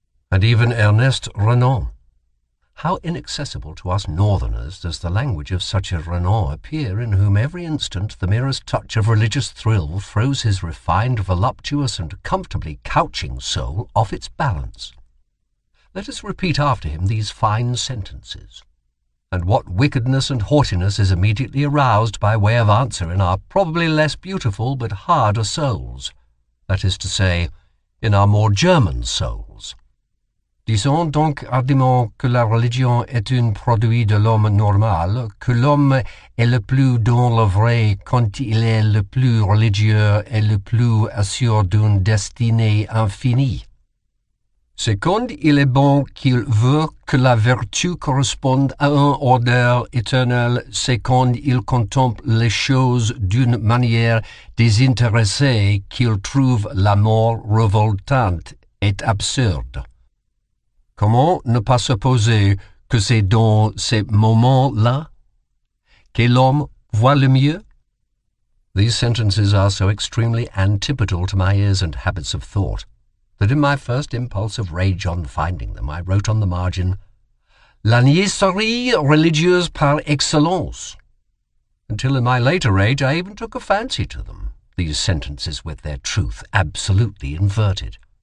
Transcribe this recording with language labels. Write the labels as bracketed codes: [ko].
[en] And even Ernest Renan. How inaccessible to us Northerners does the language of such a Renan appear, in whom every instant the merest touch of religious thrill throws his refined, voluptuous, and comfortably couching soul off its balance. Let us repeat after him these fine sentences. and what wickedness and haughtiness is immediately aroused by way of answer in our probably less beautiful but harder souls, that is to say, in our more German souls. [fr] Disons donc hardiment que la religion est un produit de l'homme normal, que l'homme est le plus dans le vrai quand il est le plus religieux et le plus assuré d'une destinée infinie. C'est quand il est bon qu'il veut que la vertu corresponde à un ordre éternel, c'est quand il contemple les choses d'une manière désintéressée qu'il trouve la mort révoltante et absurde. Comment ne pas supposer que c'est dans ces moments-là que l'homme voit le mieux? [en] These sentences are so extremely antipodal to my ears and habits of thought that in my first impulse of rage on finding them, I wrote on the margin, [fr] La niaiserie religieuse par excellence. [en] Until in my later rage I even took a fancy to them, these sentences with their truth absolutely inverted.